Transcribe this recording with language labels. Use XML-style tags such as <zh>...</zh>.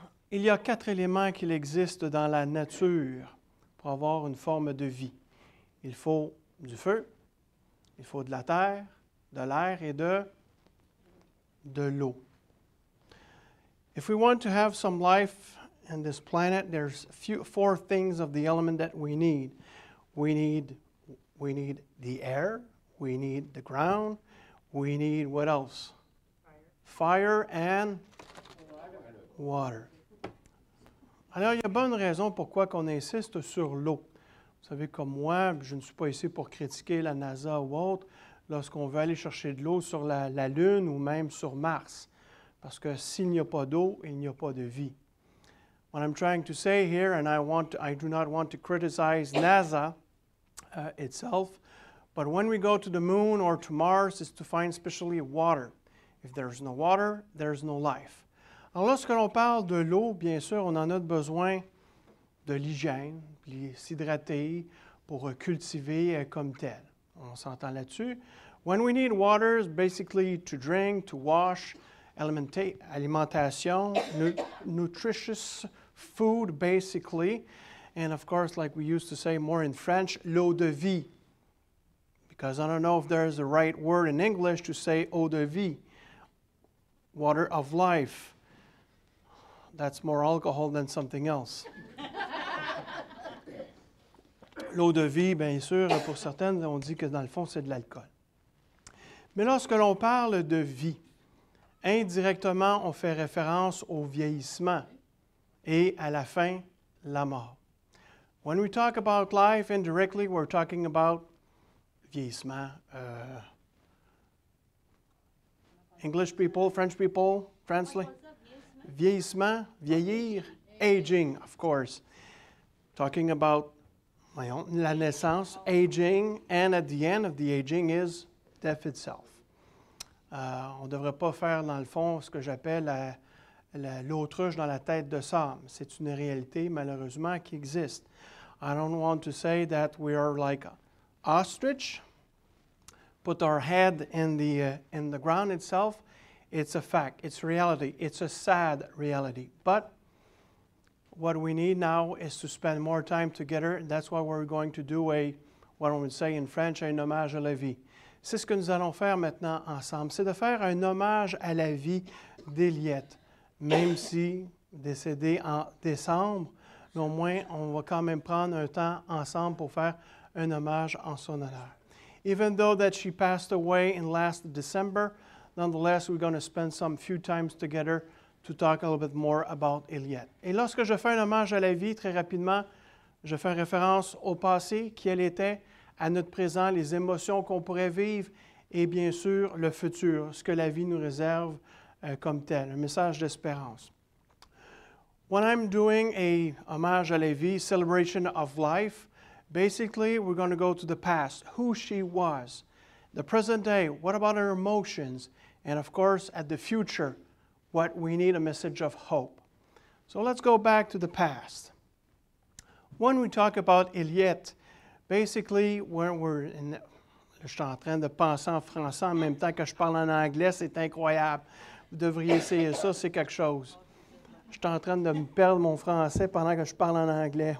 <fr>Il y a quatre éléments qu'il existe dans la nature pour avoir une forme de vie. Il faut du feu, il faut de la terre, de l'air et de l'eau.</fr> <en>If we want to have some life in this planet, there's four things of the element that we need. We need the air. We need the ground. We need what else? Fire and water.</en> <fr>Alors, il y a bonne raison pourquoi qu'on insiste sur l'eau. Vous savez, comme moi, je ne suis pas ici pour critiquer la NASA ou autre lorsqu'on veut aller chercher de l'eau sur la Lune ou même sur Mars. Parce que s'il n'y a pas d'eau, il n'y a pas de vie.</fr> <en>What I'm trying to say here, and I do not want to criticize NASA itself, but when we go to the Moon or to Mars, it's to find especially water. If there's no water, there's no life.</en> <fr>Alors, lorsque l'on parle de l'eau, bien sûr, on en a besoin de l'hygiène, puis s'hydrater pour cultiver comme tel. On s'entend là-dessus.</fr> <en>When we need water, it's basically to drink, to wash, alimentation, nutritious food, basically. And of course, like we used to say more in French,</en> <fr>l'eau de vie.</fr> <en>Because I don't know if there's the right word in English to say</en> <fr>eau de vie.</fr> <en>Water of life. That's more alcohol than something else.</en> <fr>L'eau de vie, bien sûr, pour certaines, on dit que dans le fond, c'est de l'alcool. Mais lorsque l'on parle de vie, indirectement, on fait référence au vieillissement et à la fin, la mort.</fr> <en>When we talk about life indirectly, we're talking about vieillissement. English people, French people, translate.</en> <fr>Vieillissement, vieillir,</fr> <en>aging, of course. Talking about</en> <fr>la naissance,</fr> <en>aging, and at the end of the aging is death itself.</en> <fr>On ne devrait pas faire, dans le fond, ce que j'appelle l'autruche dans la tête de Somme. C'est une réalité, malheureusement, qui existe.</fr> <en>I don't want to say that we are like an ostrich, put our head in the ground itself. It's a fact. It's reality. It's a sad reality. But what we need now is to spend more time together. That's why we're going to do what I would say in French,</en> <fr>un hommage à la vie. C'est ce que nous allons faire maintenant ensemble. C'est de faire un hommage à la vie d'Eliette. Même si décédé en décembre, au moins, on va quand même prendre un temps ensemble pour faire un hommage en son honneur.</fr> <en>Even though that she passed away in last December, nonetheless, we're going to spend some few times together to talk a little bit more about Eliette.</en> <fr>Et lorsque je fais un hommage à la vie, très rapidement, je fais référence au passé, qui elle était, à notre présent, les émotions qu'on pourrait vivre, et bien sûr, le futur, ce que la vie nous réserve comme tel, un message d'espérance.</fr> <en>When I'm doing a</en> <fr>hommage à la vie,</fr> <en>celebration of life, basically, we're going to go to the past, who she was. The present day, what about our emotions? And of course, at the future, what we need, a message of hope. So let's go back to the past. When we talk about Eliette, basically, when we're in...</en> <fr>Je suis en train de penser en français en même temps que je parle en anglais, c'est incroyable. Vous devriez essayer ça, c'est quelque chose. Je suis en train de me perdre mon français pendant que je parle en anglais.</fr>